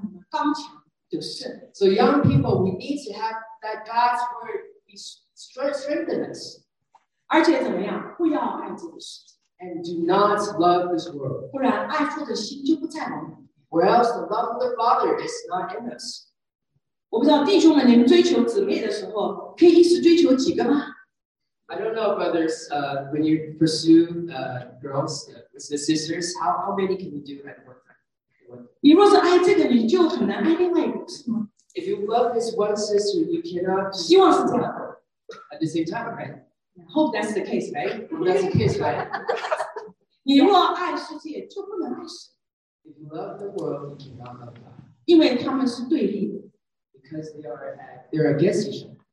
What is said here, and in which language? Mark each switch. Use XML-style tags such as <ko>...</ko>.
<zh>所以少年人呢，要让神的话在我们里面，让我们刚强得胜。</zh> <en>So young people, we need to have that God's word be strengthen us.</en> <zh>而且怎么样？不要爱这个世界。</zh> <en>And do not love this world.</en> <zh>不然爱父的心就不在我们里面。</zh> <en>Or else the love of the Father is not in us.</en> <zh>我不知道弟兄们，你们追求姊妹的时候，可以一时追求几个吗？</zh> <en>I don't know, brothers. When you pursue girls, the sisters, how many can you do at one time?</en> <zh>你若是爱这个，你就很难爱另外一个，是吗？</zh> <en>If you love this one sister, you cannot.</en> <zh>希望是这样的。</zh> <en>At the same time, right? I hope that's the case, right? That's the case, right?</en> <zh>你若爱世界，就不能爱神。</zh> <en>If you love the world, you cannot love God.</en> <zh>因为他们是对立的。</zh> <en>Because they are against each other.</en>